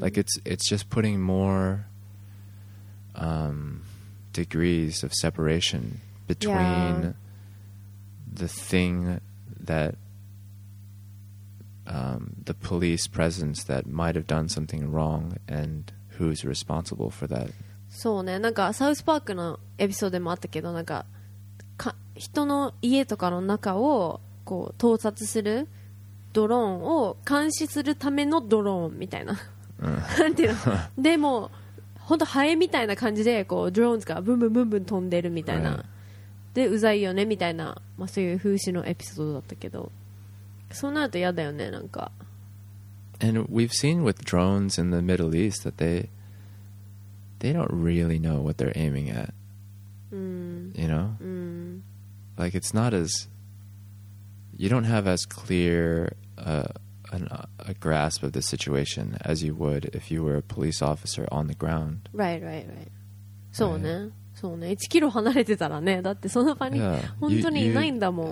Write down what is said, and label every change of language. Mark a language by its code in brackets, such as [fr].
[en] Like it's just putting more、degrees of separation between、 yeah. the thing that、the police presence that might have done something wrong and who's responsible for that. [ja] そうね。なんかサウスパークのエピソードでもあったけど、なんか人の家とかの中をこう盗撮するドローンを監視するためのドローンみたいな、うん、なんていうのでも本当ハエみたいな感じでこうドローンがブンブンブンブン飛んでるみたいな、 [en] right. [ja] でうざいよねみたいな、まあ、そういう風刺のエピソードだったけどそうなると嫌だよねなんか [en] And we've seen with drones in the Middle East that they don't really know what they're aiming at、 mm. you know、 mm. Like, it's not as... You don't have as clear a grasp of the situation as you would if you were a police officer on the ground. Right, right, right. [ja] そうね。そうね。 1キロ離れてたらね。だってそんな場に本当にいないんだもん。